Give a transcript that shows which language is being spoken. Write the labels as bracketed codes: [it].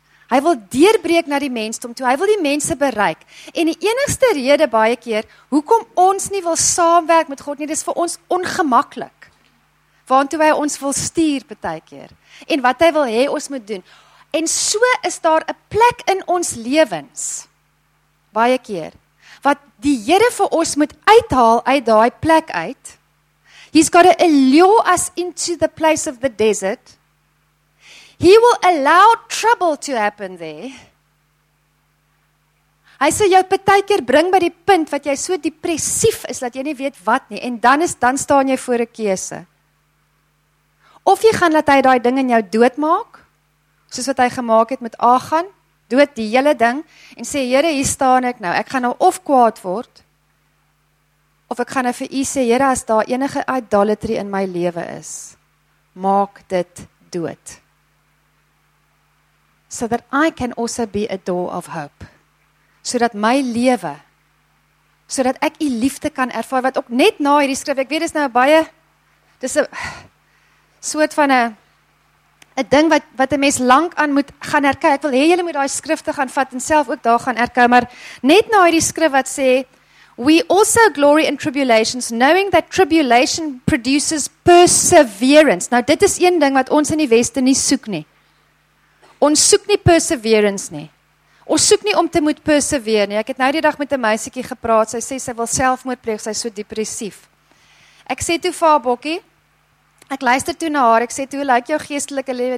[af] Hy wil deurbreek na die mensdom toe. Hy wil die mense bereik. En die enigste rede baie keer hoekom ons nie wil saamwerk met God nie, dis vir ons ongemaklik. Waartoe hy ons wil stuur baie keer. En wat hy wil hê ons moet doen. En so is daar 'n plek in ons lewens. Baie keer. Wat die Here vir ons moet uithaal uit daai plek uit. [en] He's got to allure us into the place of the desert. He will allow trouble to happen there. [af] Hy sê jou baie keer bring by die punt wat jy so depressief is dat jy nie weet wat nie. En dan staan jy voor 'n keuse. Of jy gaan laat hy daai ding in jou doodmaak, soos wat hy gemaak het met Agan, dood die hele ding, en sê, Here, hier staan ek nou, ek gaan nou of kwaad word, of ek gaan nou vir u sê, Here, as daar enige idolatry in my lewe is, maak dit dood. [en] So that I can also be a door of hope. [af] So dat my lewe, so dat ek u liefde kan ervaar, wat ook net na hierdie skrif, ek weet, dis nou baie, dis 'n soort van 'n ding wat 'n mens lank aan moet gaan herkou. Ek wil hê julle moet daai skrifte gaan vat en self ook daar gaan herkou, maar net na hierdie skrif wat sê [en] We also glory in tribulations, knowing that tribulation produces perseverance. [af] Nou, dit is een ding wat ons in die Weste nie soek nie. Ons soek nie perseverance nie. Ons soek nie om te moet persevere nie. Ek het nou die dag met 'n meisietjie gepraat, sy sê sy wil selfmoord pleeg, sy is so depressief. Ek sê toe vir haar bokkie, ek luister toe na haar, ek sê toe, hoe lyk jou geestelike lewe?